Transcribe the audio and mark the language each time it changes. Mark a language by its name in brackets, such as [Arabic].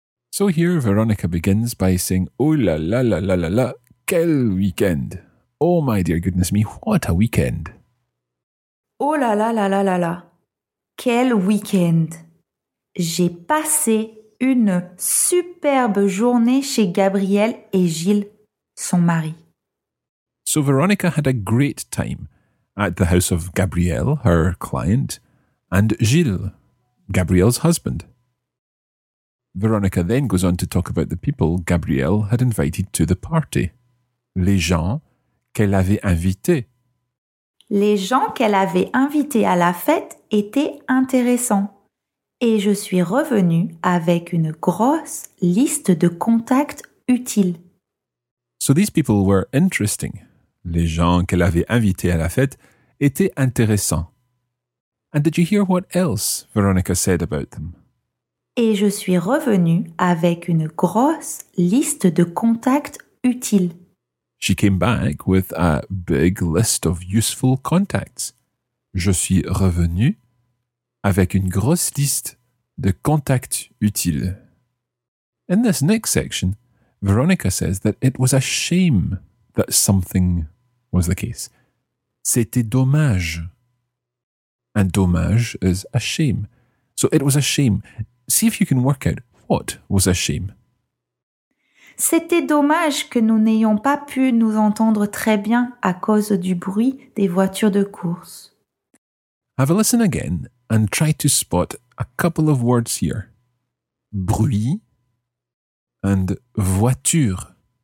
[English] So here Veronica begins by saying, [French] oh la la la la la la, quel weekend! [English] Oh my dear goodness me, what a weekend! [French] Oh la la la la la la, quel weekend! J'ai passé une superbe journée chez Gabriel et Gilles, son mari. [English] So Veronica had a great time at the house of Gabriel, her client, and Gilles, Gabriel's husband. Veronica then goes on to talk about the people Gabrielle had invited to the party. [French] Les gens qu'elle avait invités. Les gens qu'elle avait invités à la fête étaient intéressants. Et je suis revenue avec une grosse liste de contacts utiles. [English] So these people were interesting. [French] Les gens qu'elle avait invités à la fête étaient intéressants. [English] And did you hear what else Veronica said about them? [French] Et je suis revenue avec une grosse liste de contacts utiles. [English] She came back with a big list of useful contacts. [French] Je suis revenue avec une grosse liste de contacts utiles. [English] In this next section, Veronica says that it was a shame that something was the case. [French] C'était dommage. [English] And dommage is a shame. So it was a shame. See if you can work out what was a shame. [French] C'était dommage que nous n'ayons pas pu nous entendre très bien à cause du bruit des voitures de course. [English] Have a listen again and try to spot a couple of words here. Bruit and voiture.